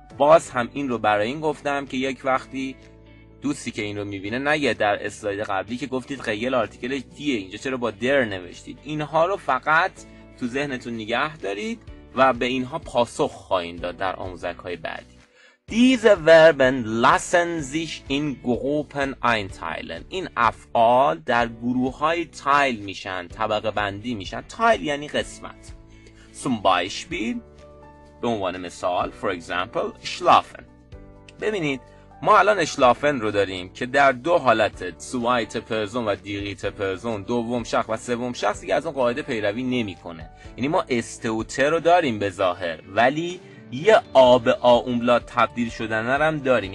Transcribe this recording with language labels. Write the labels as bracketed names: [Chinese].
[Persian] باز هم این رو برای این گفتم که یک وقتی دوستی که این رو میبینه نگه در اسلاید قبلی که گفتید قیل آرتیکلش دیه، اینجا چرا با در نوشتید. اینها رو فقط تو ذهنتون نگه دارید و به اینها پاسخ خواهید داد در آموزک‌های بعدی. [German] Diese Verben lassen sich in Gruppen einteilen. [Persian] این افعال در گروه‌های تایل میشن، طبقه بندی میشن. تایل یعنی قسمت. [German] Zum Beispiel, [Persian] به عنوان مثال, [English] for example, [Persian] schlafen. ببینید ما الان schlafen رو داریم که در دو حالت [German] zweite Person [Persian] و [German] dritte Person، [Persian] دوم شخص و سوم شخص، دیگه از اون قاعده پیروی نمی‌کنه. یعنی ما است و ت رو داریم به ظاهر، ولی یه آ به آ املات تبدیل شدن رو هم داریم.